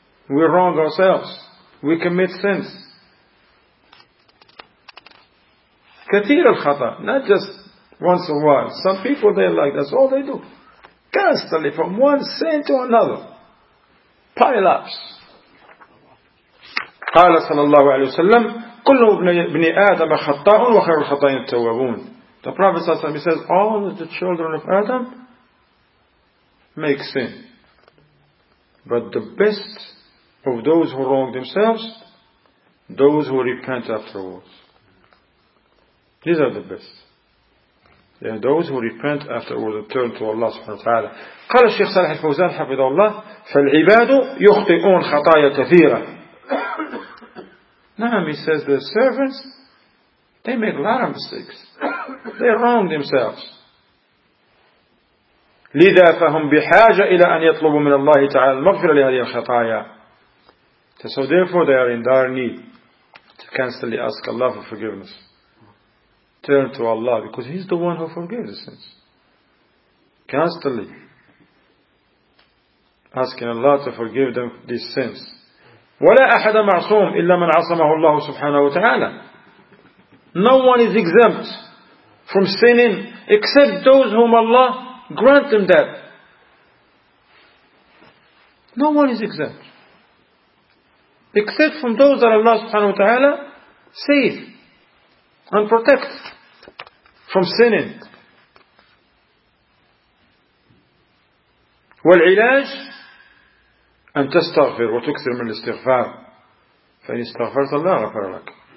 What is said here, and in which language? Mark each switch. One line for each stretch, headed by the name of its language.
English: We wrong ourselves. We commit sins.
Arabic: كثير الخطأ,
English: not just once in a while. Some people they like, that's all they do. Constantly, from one sin to another. Pile ups.
Arabic: قال صلى الله عليه وسلم كل ابن آدم خطاء وخير الخطائين التوابون.
English: The Prophet says, all the children of Adam make sin. But the best of those who wrong themselves, those who repent afterwards. These are the best. They are those who repent afterwards and turn to Allah subhanahu wa ta'ala.
Arabic: قال الشيخ صالح الفوزان حفظه الله فالعباد يخطئون خطايا كثيرة.
English: نعم, he says the servants, they make a lot of mistakes. They wrong themselves.
Arabic: لذا فهم بحاجة إلى أن يطلبوا من الله تعالى المغفرة لهذه الخطايا.
English: So therefore they are in dire need to constantly ask Allah for forgiveness. Turn to Allah, because He's the one who forgives the sins. Constantly asking Allah to forgive them these sins.
Arabic: وَلَا أَحَدَ مَعْصُومٌ إِلَّا مَنْ عَصَمَهُ اللَّهُ سُبْحَانَهُ وَتَعَالَى.
English: No one is exempt from sinning except those whom Allah grant them that. No one is exempt except from those that Allah subhanahu wa ta'ala save and protect from sinning.
Arabic: والعلاج أن تستغفر وتكثر من الاستغفار فإن استغفرت الله غفر لك.